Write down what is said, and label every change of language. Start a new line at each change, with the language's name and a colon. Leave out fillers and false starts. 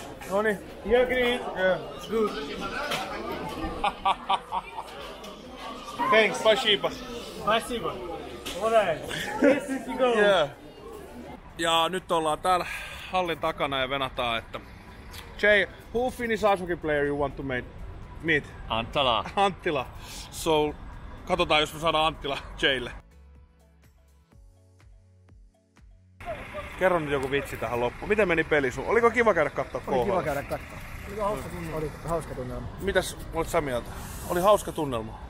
English: Noniin. You agree? Yeah. Good. Thanks.
Russian: Спасибо. Спасибо.
English: All right. Yes, you go. Yeah.
Finnish: Ja nyt ollaan täällä hallin takana ja venataan, että...
English: Jay, who Finnish ice hockey player you want to meet? Anttila. Anttila.
Finnish: So, katsotaan, jos me saadaan Anttila Jaylle. Kerro nyt joku vitsi tähän loppuun. Miten meni peli sun? Oliko kiva käydä kattoo KHL? Oli kiva käydä kattoo. Oli hauska tunnelma. Mitäs olet sä mieltä? Oli hauska tunnelma?